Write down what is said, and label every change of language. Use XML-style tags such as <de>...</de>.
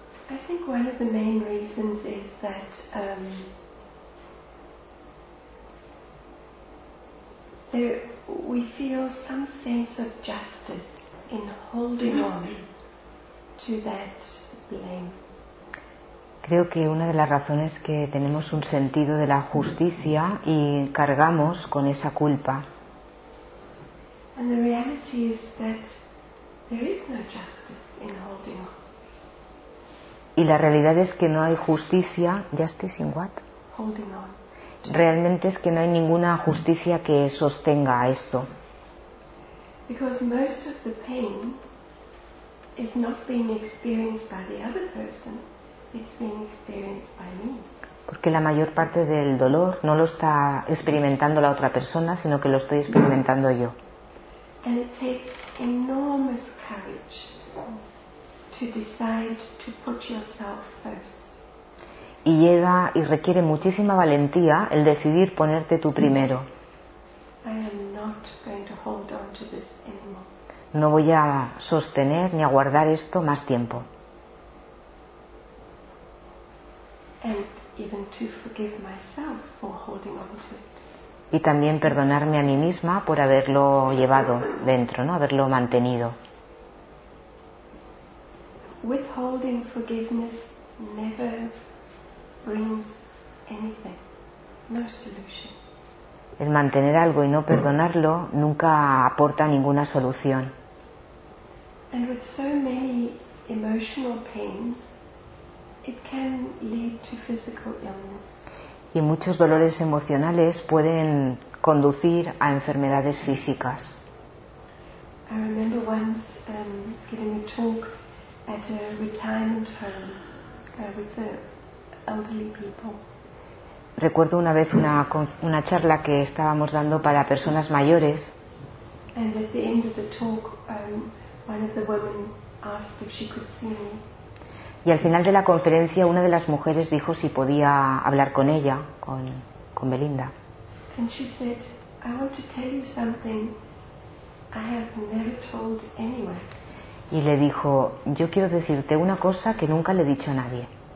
<en>I think one of the main reasons is that we feel some sense of justice in holding on to that blame.</en> <es>Creo que una de las razones que tenemos un sentido de la justicia y cargamos con esa culpa.</es> <en>And the reality is that there is no justice in holding on.</en> <es>Y la realidad es que no hay justicia,</es> <en>justice in what? Holding on.</en> <es>Realmente es que no hay ninguna justicia que sostenga esto.</es> <en>Because most of the pain is not being experienced by the other person, it's being experienced by me.</en> <es>Porque la mayor parte del dolor no lo está experimentando la otra persona, sino que lo estoy experimentando yo.</es> <en>And it takes enormous courage to decide to put yourself first.</en> <es>Y llega y requiere muchísima valentía el decidir ponerte tú primero.</es> <en>I am not going to hold on to this anymore.</en> <es>No voy a sostener ni a guardar esto más tiempo.</es> <en>And even to forgive myself for holding on to it.</en> <es>Y también perdonarme a mí misma por haberlo llevado dentro, ¿no? Haberlo mantenido.</es> <en>Withholding forgiveness never brings anything, no solution.</en> <es>El mantener algo y no perdonarlo nunca aporta ninguna solución.</es> <en>And with so many emotional pains, it can lead to physical illness.</en> <es>Y muchos dolores emocionales pueden conducir a enfermedades físicas.</es> <en>I remember once giving a talk at a retirement home with the elderly people.</en> <es>Recuerdo una vez una charla que estábamos dando para personas mayores.</es> <en>And at the end of the talk, one of the women asked if she could see me.</en> <es>Y al final de la conferencia, una de las mujeres dijo si podía hablar con ella, con Belinda.</es> <en>And she said, I want to tell you something I have never told anyone.</en> <es>Y le dijo, yo quiero decirte una cosa que nunca le he dicho a nadie.</es>